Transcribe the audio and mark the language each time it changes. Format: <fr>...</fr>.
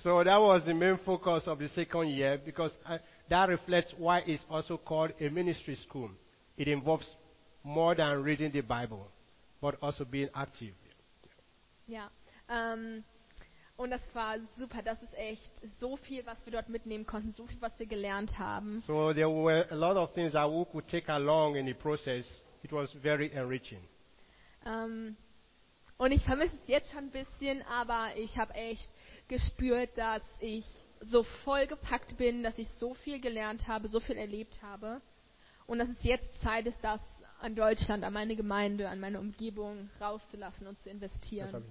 <en>So that was the main focus of the second year, because that reflects why it's also called a ministry school. It involves more than reading the Bible, but also being active.</en> <de>Ja, und das war super. Das ist echt so viel, was wir dort mitnehmen konnten, so viel, was wir gelernt haben.</de> <en>So there were a lot of things that we could take along in the process. It was very enriching.</en> <de>Und ich vermisse es jetzt schon ein bisschen, aber ich habe echt gespürt, dass ich so vollgepackt bin, dass ich so viel gelernt habe, so viel erlebt habe. Und dass es jetzt Zeit ist, das an Deutschland, an meine Gemeinde, an meine Umgebung rauszulassen und zu investieren.</de>